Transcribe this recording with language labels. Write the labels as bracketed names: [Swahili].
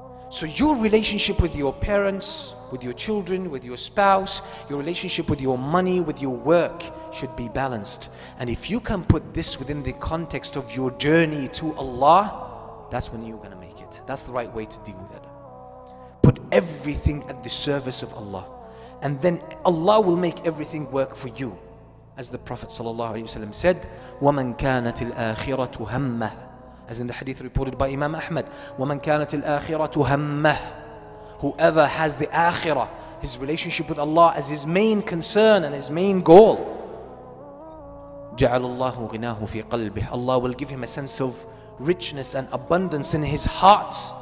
[English] So your relationship with your parents, with your children, with your spouse, your relationship with your money, with your work should be balanced. And if you can put this within the context of your journey to Allah, that's when you're going to make it. That's the right way to deal with it. Put everything at the service of Allah. And then Allah will make everything work for you. As the Prophet ﷺ said, [Arabic] وَمَنْ كَانَتِ الْآخِرَةُ هَمَّهُ. [English] As in the hadith reported by Imam Ahmad, [Arabic] وَمَنْ كَانَتِ الْآخِرَةُ هَمَّهُ. [English] Whoever has the akhirah, his relationship with Allah, as his main concern and his main goal, [Arabic] جَعَلَ اللَّهُ غِنَاهُ فِي قَلْبِهِ. [English] Allah will give him a sense of richness and abundance in his heart.